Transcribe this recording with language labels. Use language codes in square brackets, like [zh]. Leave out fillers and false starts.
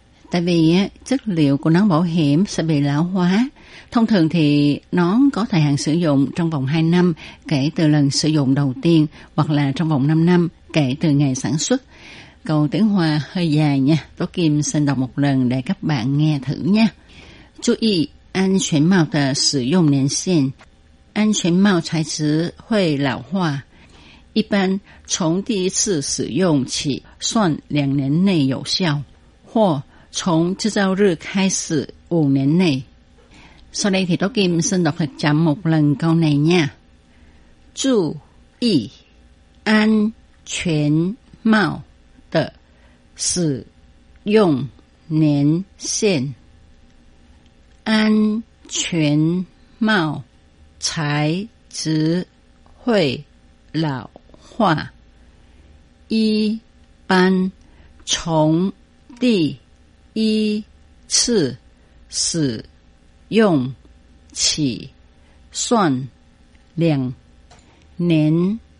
[vi] Tại vì chất liệu của nón bảo hiểm sẽ bị lão hóa. Thông thường thì nón có thời hạn sử dụng trong vòng 2 năm kể từ lần sử dụng đầu tiên, hoặc là trong vòng 5 năm kể từ ngày sản xuất. Câu tiếng Hoa hơi dài nha. Tố Kim xin đọc một lần để các bạn nghe thử nha. Chú ý. [zh] 安全帽的使用年限，安全帽材质会老化，一般从第一次使用起算两年内有效，或从制造日开始五年内。 [vi] Sau đây thì tôi Kim xin đọc thật chậm một lần câu này nha. [zh] 注意安全帽的使用年限。安全帽材质会老化，一般从第一次使用起算两年